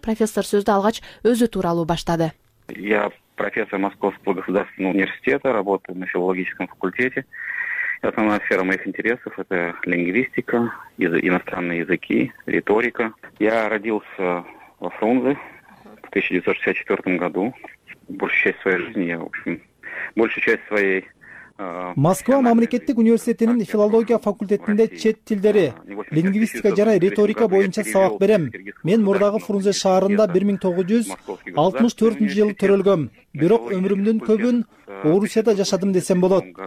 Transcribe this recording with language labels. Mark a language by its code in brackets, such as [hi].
[ky] Профессор сөздү алгач өзү тууралуу баштады. [ru] Я профессор Московского государственного университета, работаю на филологическом факультете. Основная сфера моих интересов – это лингвистика, иностранные языки, риторика. Я родился во Фрунзе в 1964 году. Большую часть своей жизни я, в общем, большую часть своей... [ky] Москва мамлекеттик университетинин филология факультетинде чет тилдери, лингвистика жана риторика боюнча сабак берем. Мен мурдагы Фрунзе шаарында 1964 жылы төрөлгөм, бирок өмүрүмдүн көбүн Орусияда жашадым десем болот.